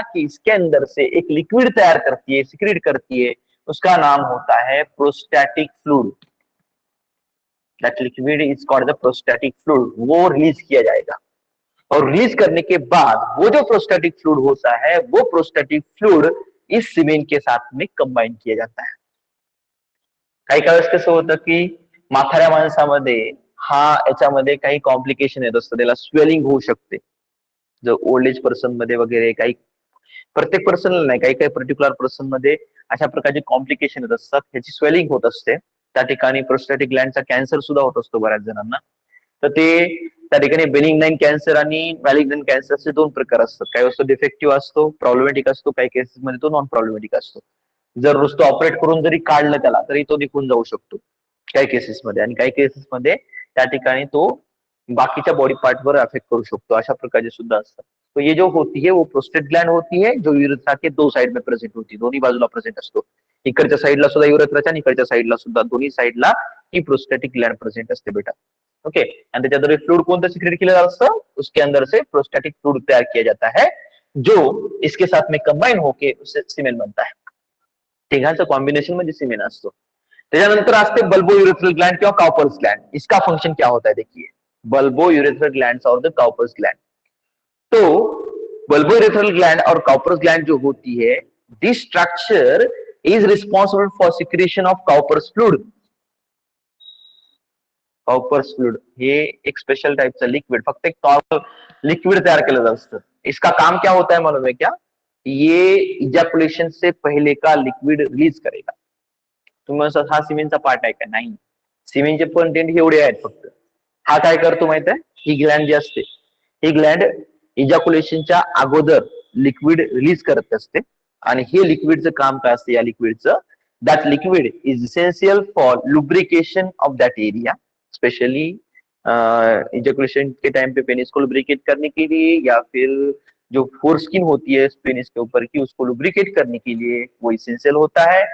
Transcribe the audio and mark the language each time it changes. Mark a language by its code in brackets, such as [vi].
[hi] कि इसके अंदर से एक लिक्विड तैयार करती है, सिक्रीट करती है, उसका नाम होता है prostatic fluid. [en] That liquid is called the prostatic fluid. [hi] वो रिलीज किया जाएगा और रिलीज करने के बाद वो जो प्रोस्टेटिक फ्लूड होता है वो प्रोस्टेटिक फ्लूड इस सिमेन के साथ में कंबाइन किया जाता है. [mr] काही काळ असं कसं होतं की माथाऱ्या माणसामध्ये हा याच्यामध्ये काही कॉम्प्लिकेशन येत असतं, त्याला स्वेलिंग होऊ शकते. जो ओल्ड एज पर्सन मध्ये वगैरे काही प्रत्येक पर्सनला नाही, काही काही पर्टिक्युलर पर्सन मध्ये अशा प्रकारचे कॉम्प्लिकेशन येत असतात, त्याची स्वेलिंग होत असते. त्या ठिकाणी प्रोस्टेटिक ग्लँडचा कॅन्सर सुद्धा होत असतो बऱ्याच जणांना. तर ते त्या ठिकाणी बेनिग्नाइन कॅन्सर आणि मॅलिग्नाइन कॅन्सरचे दोन प्रकार असतात. काही वस्तू डिफेक्टिव्ह असतो, प्रॉब्लेमॅटिक असतो, काही केसेसमध्ये तो नॉन प्रॉब्लेमॅटिक असतो. जर नुसतं ऑपरेट करून जरी काढलं त्याला तरी तो निघून जाऊ शकतो काही केसेसमध्ये, आणि काही केसेसमध्ये त्या ठिकाणी तो बाकीच्या बॉडी पार्टवर अफेक्ट करू शकतो, अशा प्रकारचे सुद्धा असतात. [hi] तो ये जो होती है वो प्रोस्टेट ग्लँड होती है, जो युरेथ्रा के दो साइड में प्रेझेंट होती, [mr] दोन्ही बाजूला प्रेझेंट असतो. इकडच्या साईडला सुद्धा युरेथ्राच्या आणि इकडच्या साईडला सुद्धा, दोन्ही साईडला ही प्रोस्टेटिक ग्लँड प्रेझेंट असते बेटा. ओके, आणि त्याच्याद्वारे फ्लूड कोणतं सिक्रेट केलं जात असतं? [hi] उसके अंदर से प्रोस्टेटिक फ्लूड तयार किया जाता है, जो इसके साथ में कंबाइन होके उसे सिमेन बनता है. [mr] तिघांचं कॉम्बिनेशन म्हणजे सिमेन असतो. त्याच्यानंतर असते बल्बो युरेथ्रल ग्लँड किंवा कॉपर्स ग्लँड. [hi] इसका फंक्शन क्या होता है? देखिए बल्बो युरेथ्रल ग्लँड और द कॉपर्स ग्लँड. [en] तो bulbourethral gland और Cowper's gland [hi] जो होती है, [en] This structure is responsible for secretion of Cowper's fluid. [mr] Cowper's fluid हे एक स्पेशल टाइपचं लिक्विड, फक्त एक कॉपर लिक्विड तयार केलं असतं. [hi] इसका काम क्या होता है मालूम है क्या? ये इजॅक्युलेशन से पहिले का लिक्विड रिलीज करेगा. [mr] तुम्ही म्हणता हा सिमेनचा पार्ट आहे का? नाही, सिमेनचे कंटेंट एवढे आहेत फक्त. हा काय करतो माहित आहे? ही ग्लँड जी असते, ही ग्लँड इजॅक्युलेशनच्या अगोदर लिक्विड रिलीज करत असते. आणि हे लिक्विडचं काम काय असतं? या लिक्विडचं, [en] that liquid is essential for lubrication of that area, [hi] specially इजेक्युलेशन के टाइम पे पेनिस को लुब्रिकेट करने के लिए, या फिर जो फोरस्किन होती है पेनिस के ऊपर की उसको लुब्रिकेट करने के लिए वो इसेंशियल होता है.